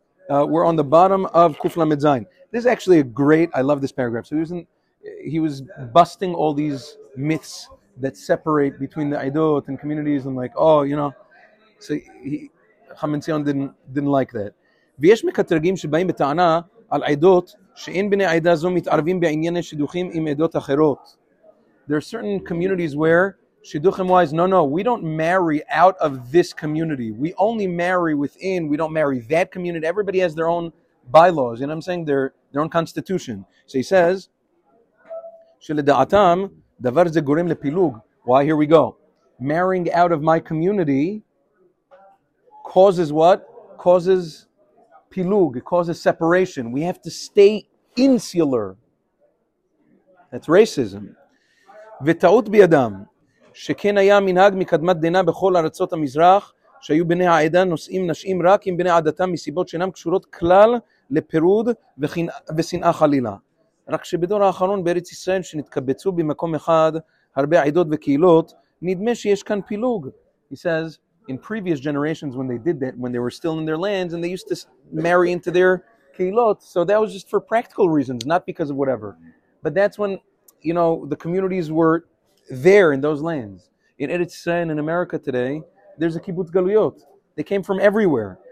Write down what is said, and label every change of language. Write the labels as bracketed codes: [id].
[en] We're on the bottom of Kuf Lamed Zayin. This is actually a great, I love this paragraph. So he was busting all these myths that separate between the Eidot and communities and like, oh, you know. So Chaim Tzion didn't like that. [he] V'yesh mekatragim shebaim b'ta'ana al Eidot שאין בני עדה זו מתערבים בענייני שידוחים עם עדות אחרות. [en] There are certain communities where שידוחים wise, no, we don't marry out of this community. We only marry within, we don't marry that community. Everybody has their own bylaws, you know what I'm saying? Their own constitution. So he says, [he] שלדעתם, דבר זה גורם לפילוג. [en] Why? Here we go. Marrying out of my community causes what? Causes pilug, it causes separation. We have to stay insular. That's racism. [he] וטעות בידם, שכן היה מנהג מקדמת דנה בכל ארצות המזרח, שהיו בני העדה נושאים נשאים רק עם בני עדתם מסיבות שאינם קשורות כלל לפירוד ושנאה חלילה. רק שבדור האחרון בארץ ישראל שנתקבצו במקום אחד הרבה עדות וקהילות, נדמה שיש כאן פילוג. [en] He says, in previous generations when they did that, when they were still in their lands and they used to marry into their keilot, so that was just for practical reasons, not because of whatever. But that's when, you know, the communities were there in those lands. In Eretz Yisrael, in America today, there's a kibbutz galuyot. They came from everywhere.